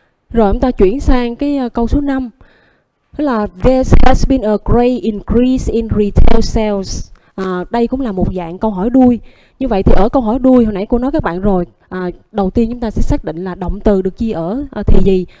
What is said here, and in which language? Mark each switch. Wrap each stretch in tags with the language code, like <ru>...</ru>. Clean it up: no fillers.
<vi>Rồi chúng ta chuyển sang cái câu số 5. Đó là</vi> <en>there has been a great increase in retail sales.</en> <vi>Đây cũng là một dạng câu hỏi đuôi. Như vậy thì ở câu hỏi đuôi hồi nãy cô nói các bạn rồi, đầu tiên chúng ta sẽ xác định là động từ được chia ở thì gì.</vi>